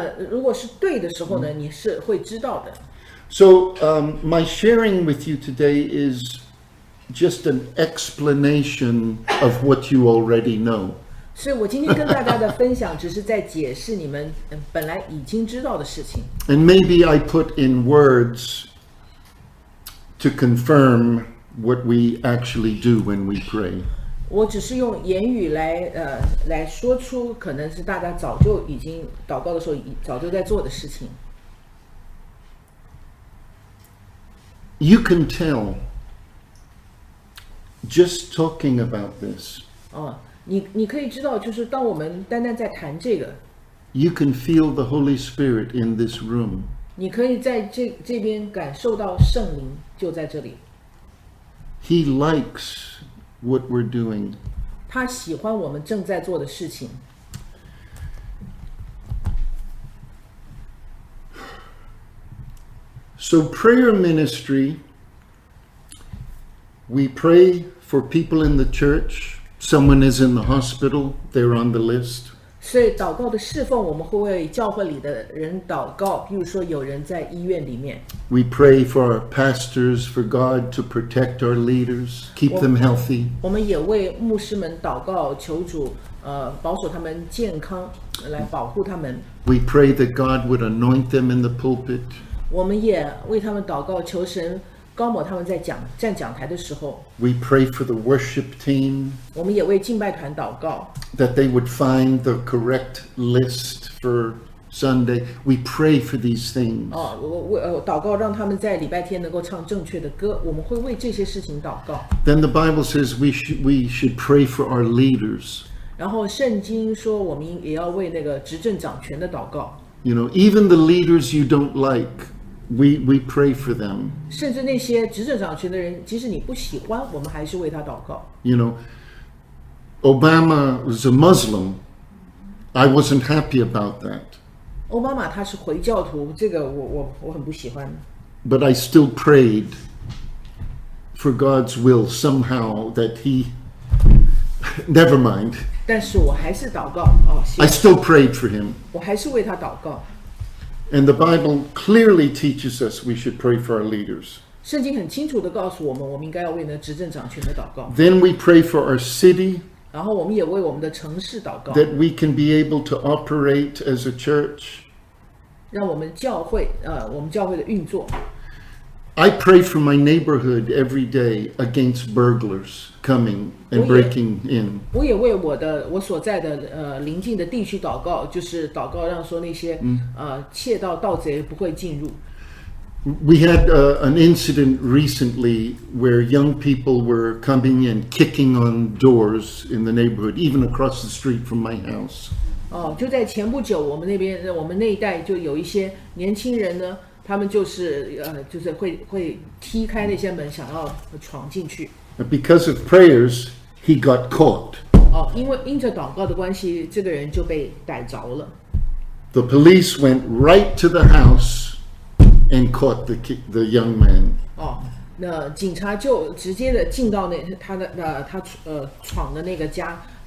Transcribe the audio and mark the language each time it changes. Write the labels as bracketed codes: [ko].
[zh] 如果是对的时候呢，你是会知道的。 [en] So, my sharing with you today is just an explanation of what you already know. [zh] 所以我今天跟大家的分享只是在解释你们本来已经知道的事情。 [en] And maybe I put in words to confirm what we actually do when we pray. [zh] 我只是用言语来说出可能是大家早就已经祷告的时候早就在做的事情。 [en] You can tell just talking about this. [zh] 你可以知道，就是当我们单单在谈这个 [en] ，You can feel the Holy Spirit in this room。 [zh] 你可以在这边感受到圣灵就在这里。 [en] He likes what we're doing。 [zh] 他喜欢我们正在做的事情。 [en] So prayer ministry, we pray for people in the church. Someone is in the hospital, they're on the list. [zh] 所以祷告的侍奉我们会为教会里的人祷告比如说有人在医院里面。 [en] We pray for our pastors, for God to protect our leaders, keep them healthy. [zh] 我们也为牧师们祷告求主保守他们健康来保护他们。 [en] We pray that God would anoint them in the pulpit. [zh] 我们也为他们祷告求神高某他们在站讲台的时候 [en] We pray for the worship team [zh] 我们也为敬拜团祷告 [en] That they would find the correct list for Sunday We pray for these things [zh] 祷告让他们在礼拜天能够唱正确的歌我们会为这些事情祷告 [en] Then the Bible says we should pray for our leaders [zh] 然后圣经说我们也要为那个执政掌权的祷告 [en] You know, even the leaders you don't likeWe pray for them. [zh] 甚至那些执政掌权的人，即使你不喜欢，我们还是为他祷告。 [en] You know, Obama was a Muslim. I wasn't happy about that. [zh] 奥巴马他是回教徒，这个我很不喜欢。 [en] But I still prayed for God's will somehow that he. Never mind. [zh] 但是我还是祷告 [en] I still prayed for him. [zh] 我还是为他祷告。 [en] And the Bible clearly teaches us we should pray for our leaders. [zh] 圣经很清楚地告诉我们，我们应该要为那执政掌权的祷告。 [en] Then we pray for our city. [zh] 然后我们也为我们的城市祷告。 [en] That we can be able to operate as a church. [zh] 让我们教会，我们教会的运作。 [en] I pray for my neighborhood every day against burglars coming and breaking in. [zh] 我也为我所在的邻近的地区祷告，就是祷告让说那些窃盗盗贼不会进入。 [en] We had an incident recently where young people were coming and kicking on doors in the neighborhood, even across the street from my house. [zh] 哦，就在前不久，我们那边，我们那一带就有一些年轻人呢，他们就是就是会踢开那些门，想要闯进去。 [en] Because of prayers, he got caught. [zh] 哦，因为因着祷告的关系，这个人就被逮着了。 [en] The police went right to the house and caught the young man. [zh] 哦，那警察就直接的进到那他的那他闯的那个家。